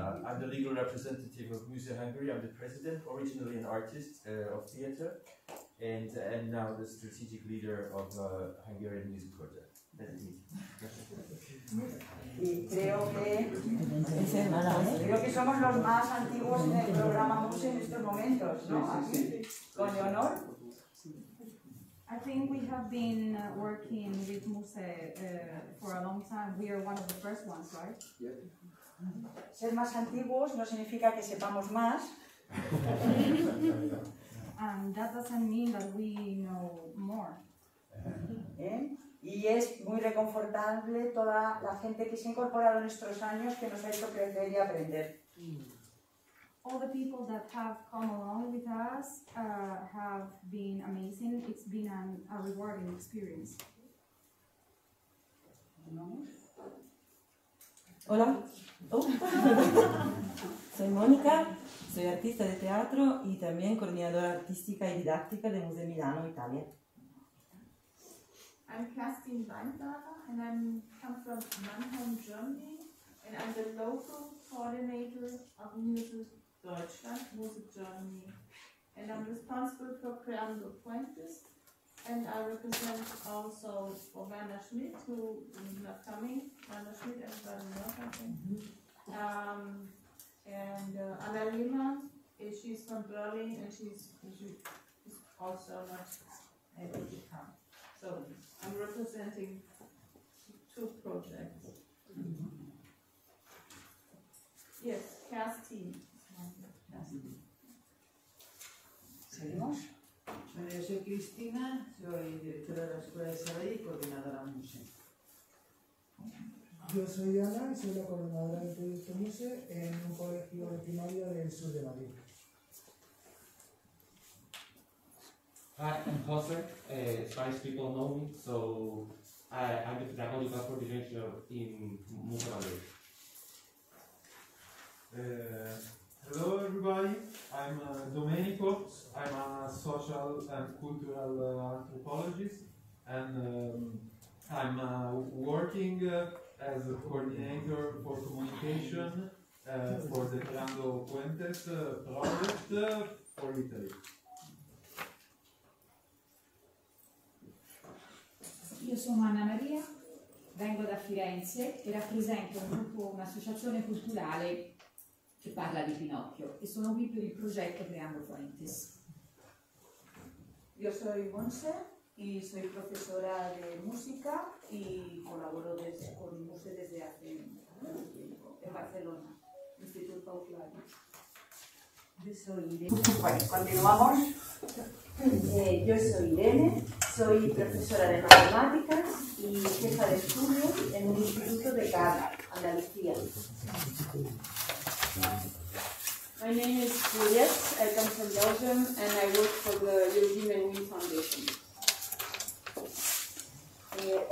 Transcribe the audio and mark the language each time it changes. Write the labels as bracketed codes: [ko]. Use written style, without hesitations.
[en] I'm the legal representative of Musée Hungary. I'm the president, originally an artist of theater, and now the strategic leader of Hungarian Music Quartet. [es] Y creo que somos los más antiguos en el programa MUSE en estos momentos, ¿no? Aquí, con Leonor. [en] I think we have been working with MUSE for a long time. We are one of the first ones, right? [es] Ser más antiguos no significa que sepamos más. [en] And that doesn't mean that we know more. [es] Y es muy reconfortable toda la gente que se ha incorporado en estos años que nos ha hecho crecer y aprender. [en] All the people that have come along with us have been amazing. It's been a rewarding experience. [es] Hola. Soy Mónica, soy artista de teatro y también coordinadora artística y didáctica del Museo de Milano, Italia. [en] I'm Kerstin Weinberger and I come from Mannheim, Germany, and I'm the local coordinator of Music Deutschland, Music Germany, and I'm responsible for Creando Puentes, and I represent also Werner Schmidt, who is not coming, Werner Schmidt and Werner Nord, I think, and Anna Lehmann, she's from Berlin, and she's also not able to come. So, I'm representing 2 projects. Mm-hmm. Yes, Kerstin. [es] Seguimos. Bueno, yo soy Cristina, soy directora de la Escuela de Sarai y coordinadora de MUSE. Yo soy Ana y soy la coordinadora del proyecto MUSE en un colegio de primaria del sur de Madrid. [en] Hi, I'm Jose. Spanish people know me, so I'm the pedagogical coordinator in MUSE Madrid. Hello, everybody. I'm Domenico. I'm a social and cultural anthropologist, and I'm working as a coordinator for communication for the Creando Puentes project for Italy. [it] Io sono Anna Maria, vengo da Firenze e rappresento un gruppo, un'associazione culturale che parla di Pinocchio e sono qui per il progetto Creando Puentes. Io sono Monse e sono professora di musica e collaboro con il Muse [es] desde hace un tempo, [it] in Barcelona, Instituto Auclari. [es] Yo soy Irene, soy profesora de matemáticas y jefa de estudios en un instituto de Cala, Andalucía. [en] My name is Juliette, I come from Belgium and I work for the Eugene Menuhin Foundation.